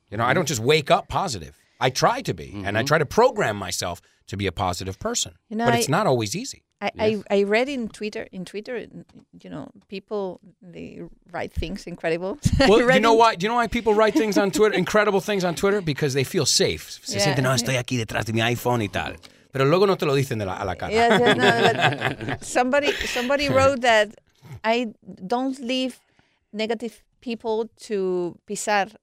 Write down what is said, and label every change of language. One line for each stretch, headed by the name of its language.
English: You know, I don't just wake up positive. I try to be. Mm-hmm. And I try to program myself to be a positive person. You know, but it's not always easy. I read in Twitter, you know, people, they write things incredible. Well, you know why? Do you know why people write things on Twitter, incredible things on Twitter? Because they feel safe. Se yeah.
Spanish: sienten, no, estoy aquí detrás de mi iPhone y tal. Pero luego no te lo dicen a la cara.
English: Yes, yes, no, somebody wrote that I don't leave negative people to pisar.